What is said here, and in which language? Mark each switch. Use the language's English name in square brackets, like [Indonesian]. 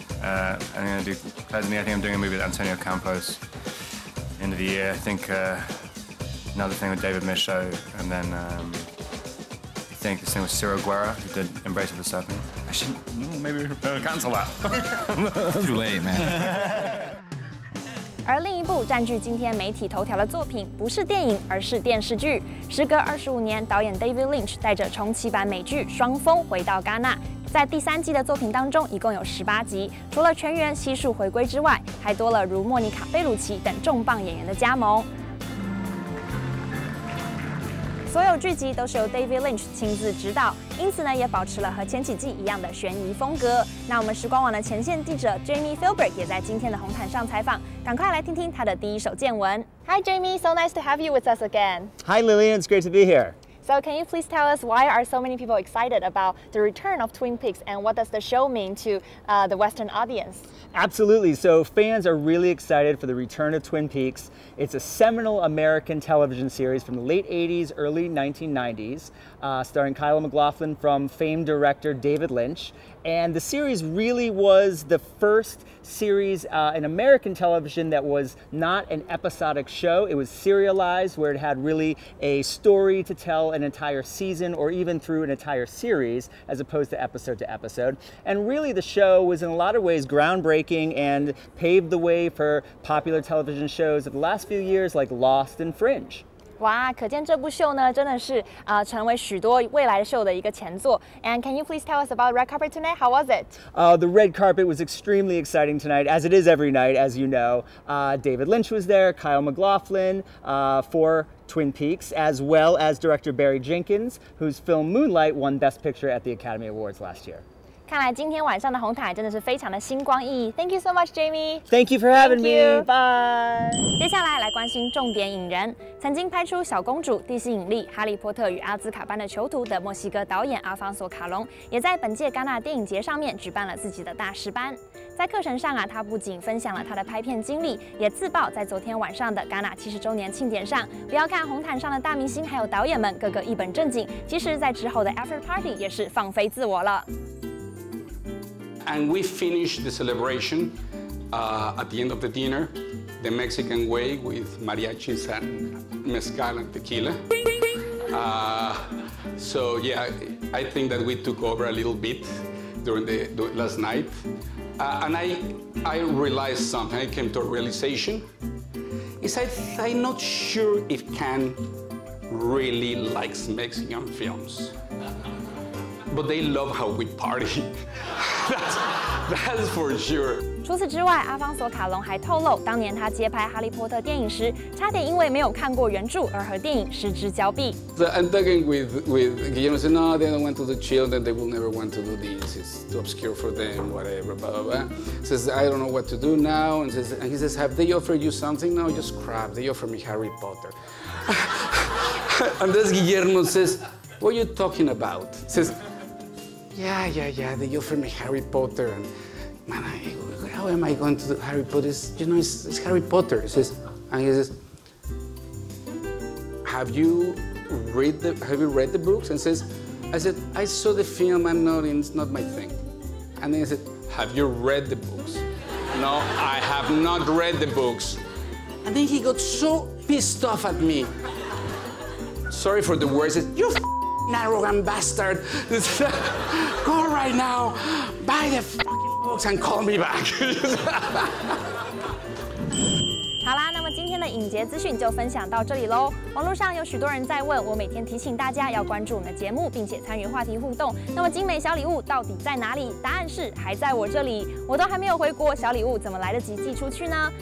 [English] I'm going to do Claire Denis. I think I'm doing a movie with Antonio Campos end of the year. I think another thing with David Michaud. And then I think this thing with Ciro Guerra, who did Embrace of the Serpent. I should maybe cancel that. Too late, man. [Chinese] 而另一部占据今天媒体头条的作品不是电影，而是电视剧。时隔25年，导演 David Lynch 带着重启版美剧《双峰》回到戛纳。在第3季的作品当中，一共有18集，除了全员悉数回归之外，还多了如莫妮卡·贝鲁奇等重磅演员的加盟。所有剧集都是由 David Lynch 亲自执导，因此呢，也保持了和前几季一样的悬疑风格。那我们时光网的前线记者 Jamie Filbert 也在今天的红毯上采访，赶快来听听他的第一手见闻。 [English] Hi Jamie, so nice to have you with us again. Hi Lillian, it's great to be here. So can you please tell us why are so many people excited about the return of Twin Peaks and what does the show mean to the Western audience? Absolutely. So fans are really excited for the return of Twin Peaks. It's a seminal American television series from the late 80s, early 1990s, starring Kyle MacLachlan from famed director David Lynch. And the series really was the first series in American television that was not an episodic show. It was serialized, where it had really a story to tell an entire season or even through an entire series, as opposed to episode. And really the show was in a lot of ways groundbreaking. And paved the way for popular television shows of the last few years like Lost and Fringe. [Chinese] 哇，可见这部秀呢真的是成为许多未来秀的一个前作。 [English] And can you please tell us about red carpet tonight? How was it? The red carpet was extremely exciting tonight, as it is every night, as you know. David Lynch was there, Kyle MacLachlan, for Twin Peaks, as well as director Barry Jenkins, whose film Moonlight won Best Picture at the Academy Awards last year. [Chinese] 看来今天晚上的红毯真的是非常的星光熠熠。 [English] Thank you so much, Jamie. Thank you for having me. Bye. [Chinese] 接下来来关心重点影人。曾经拍出《小公主》《地心引力》《哈利波特与阿兹卡班的囚徒》的墨西哥导演阿方索·卡隆，也在本届戛纳电影节上面举办了自己的大师班。在课程上啊，他不仅分享了他的拍片经历，也自曝在昨天晚上的戛纳70周年庆典上，不要看红毯上的大明星还有导演们个个一本正经，其实在之后的 After Party 也是放飞自我了。 [English] And we finished the celebration at the end of the dinner, the Mexican way with mariachi and mezcal and tequila. So yeah, I think that we took over a little bit during the last night, and I realized something. I came to a realization. Is I'm not sure if Ken really likes Mexican films, but they love how we party. That's for sure. [Chinese] 除此之外，阿方索·卡隆还透露，当年他接拍《哈利波特》电影时，差点因为没有看过原著而和电影失之交臂。 [English] The antagonist with Guillermo said, "No, they don't want to do children. They will never want to do this. It's too obscure for them. Whatever." Blah blah blah. Says, "I don't know what to do now." And says, and he says, "Have they offered you something? No, just crap. They offered me Harry Potter." And this Guillermo says, "What are you talking about?" Says, "Yeah. They offered me Harry Potter." And, man, how am I going to do Harry Potter? You know, it's Harry Potter. He says, have you read the books? And says, I said, I saw the film, I'm not in, it's not my thing. And then he said, have you read the books? No, I have not read the books. And then he got so pissed off at me. Sorry for the words, he said, you f***ing arrogant bastard. Go right now, buy the and call me back. [Chinese] 好啦，那么今天的影节资讯就分享到这里喽。网络上有许多人在问，我每天提醒大家要关注我们的节目，并且参与话题互动。那么精美小礼物到底在哪里？答案是还在我这里，我都还没有回国，小礼物怎么来得及寄出去呢？